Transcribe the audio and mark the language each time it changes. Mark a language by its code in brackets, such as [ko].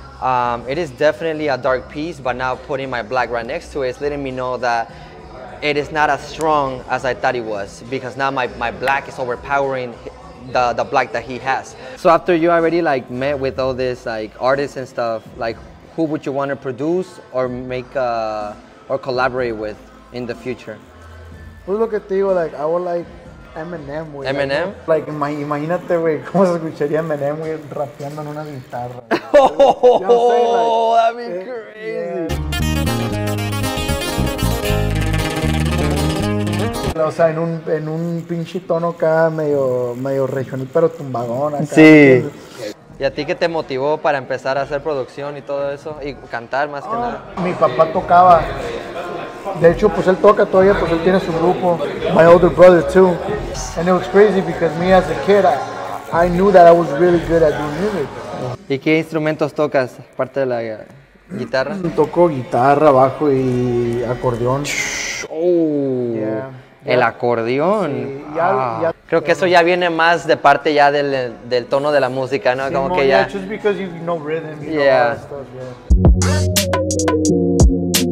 [en] It is definitely a dark piece, but now putting my black right next to it is letting me know that it is not as strong as I thought it was, because now my black is overpowering the black that he has. So after you already like met with all this like artists and stuff, like who would you want to produce or make or collaborate with in the future? [es] Pues lo que te digo, [en] like, I would like Eminem, güey. Eminem? [es] Like, imagínate, güey, cómo se escucharía Eminem, güey, rapeando en una guitarra. [en] Oh, that'd be crazy. Yeah. [es] O sea, en un pinche tono acá, medio regional, pero tumbagón acá. Sí. ¿Y a ti qué te motivó para empezar a hacer producción y todo eso? Y cantar, más que nada. Mi papá tocaba. De hecho, pues él toca todavía, pues él tiene su grupo. [en] My older brother too. And it was crazy because me as a kid, I knew that I was really good at doing music. [es] ¿Y qué instrumentos tocas, aparte de la guitarra? Toco guitarra, bajo y acordeón. Oh, yeah. El acordeón. Sí, ya, ah. Ya. Creo que eso ya viene más de parte ya del tono de la música, ¿no? Sí, como no, que ya. [en] Yeah, just because you know rhythm, you yeah. know all that stuff, yeah.